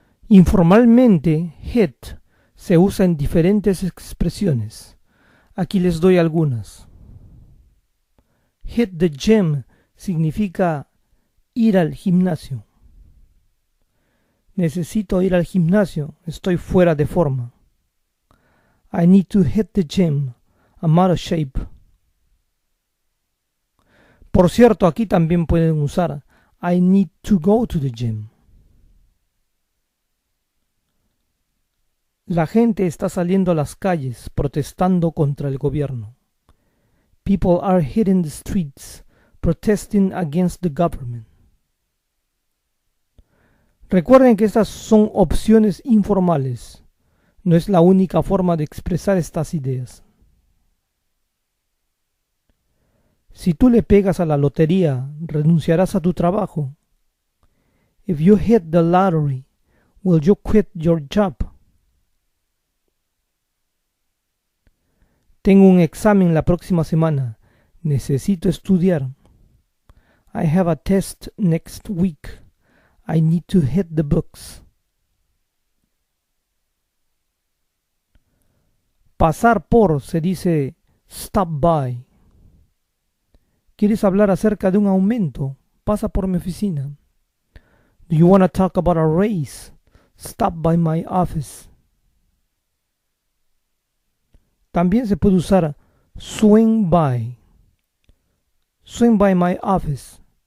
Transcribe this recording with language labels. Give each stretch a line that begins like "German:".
Spanish: Informalmente, hit se usa en diferentes expresiones. Aquí les doy algunas.
English: Hit the gym
Spanish: significa ir al gimnasio. Necesito ir al gimnasio, estoy fuera de forma.
English: I need to hit the gym, I'm out of shape.
Spanish: Por cierto, aquí también pueden usar
English: I need to go to the gym.
Spanish: La gente está saliendo a las calles protestando contra el gobierno.
English: People are hitting the streets protesting against the government.
Spanish: Recuerden que estas son opciones informales. No es la única forma de expresar estas ideas. Si tú le pegas a la lotería, ¿renunciarás a tu trabajo?
English: If you hit the lottery, will you quit your job?
Spanish: Tengo un examen la próxima semana. Necesito estudiar.
English: I have a test next week. I need to hit the books.
Spanish: Pasar por se dice stop by. ¿Quieres hablar acerca de un aumento? Pasa por mi oficina.
English: Do you want to talk about a raise? Stop by my office.
Spanish: También se puede usar
English: swing by my office.